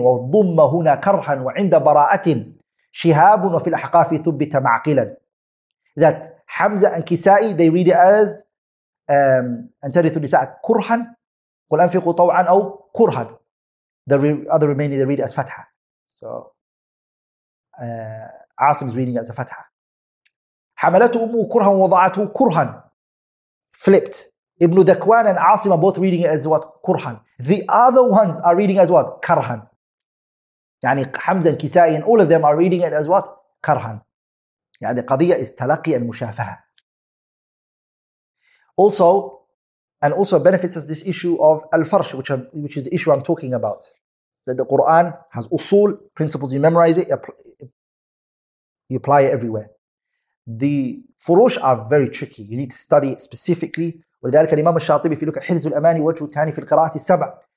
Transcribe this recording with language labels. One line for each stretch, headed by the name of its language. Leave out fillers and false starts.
Arabic: وَضُمَّ هُنَا كَرْهًا وَعِنْدَ بَرَاءَةٍ شِهَابٌ وَفِي الْأَحْقَافِ ثُبِّتَ مَعْقِلًا.
English: That Hamza and Kisa'i, they read it as
Arabic: أَنْتَرِثُ النِّسَاءَ كُرْهًا قُلْ أَنْفِقُوا طَوْعًا أَوْ كُرْهًا.
English: The other remaining, they read it as fatha. So, Asim is reading it as a fatha.
Arabic: حَمَلَتُ أُمُّهُ كُرْهًا وَضَعَتُهُ كُرْهًا.
English: Flipped. Ibn Dakwan and Asim are both reading it as what? Kurhan. The other ones are reading as what? Karhan. Yani Hamza and Kisai and all of them are reading it as what? Karhan. Yani Qadiyya is Talaqi and Mushafaha. Also, and also benefits us this issue of Al-Farsh, which is the issue I'm talking about. That the Quran has usul, principles, you memorize it, you apply it everywhere. The Furush are very tricky. You need to study it specifically.
Arabic: ولذلك الإمام الشاطبي في لك حرز الأماني وجه تاني في القراءة السبع.